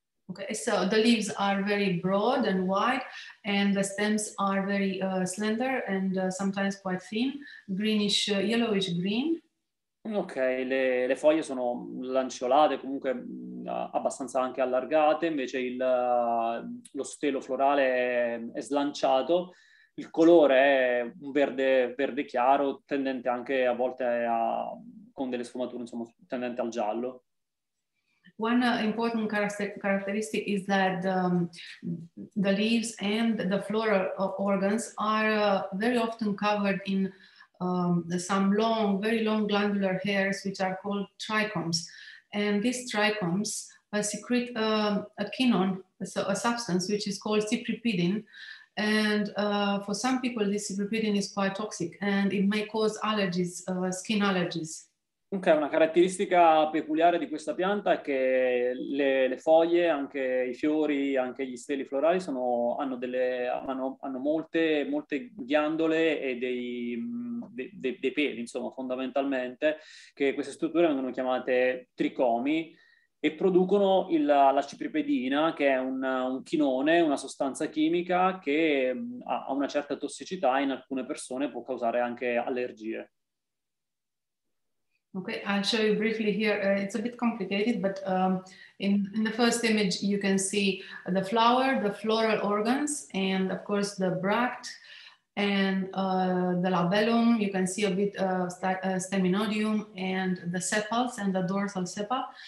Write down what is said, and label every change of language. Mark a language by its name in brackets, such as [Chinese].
[English] Okay, so the leaves are very broad and wide, and the stems are very slender and sometimes quite thin, greenish, yellowish green. [Italian] Okay, le foglie sono lanceolate, comunque abbastanza anche allargate, invece lo stelo florale è slanciato, il colore è un verde chiaro, tendente anche a volte con delle sfumature, insomma, tendente al giallo. [English] One important characteristic is that the leaves and the floral organs are very often covered in some long, very long glandular hairs, which are called trichomes. And these trichomes secrete a quinon, so a substance which is called cypripedin. And for some people, this cypripedin is quite toxic and it may cause allergies, skin allergies. [Italian] Ok, una caratteristica peculiare di questa pianta è che le foglie, anche i fiori, anche gli steli florali hanno molte ghiandole e dei peli, insomma, fondamentalmente, che queste strutture vengono chiamate tricomi e producono la cipripedina, che è un chinone, una sostanza chimica che ha una certa tossicità e in alcune persone può causare anche allergie. [English] Okay, I'll show you briefly here. It's a bit complicated, but in the first image, you can see the flower, the floral organs, and of course the bract and the labellum. You can see a bit of staminodium and the sepals and the dorsal sepa.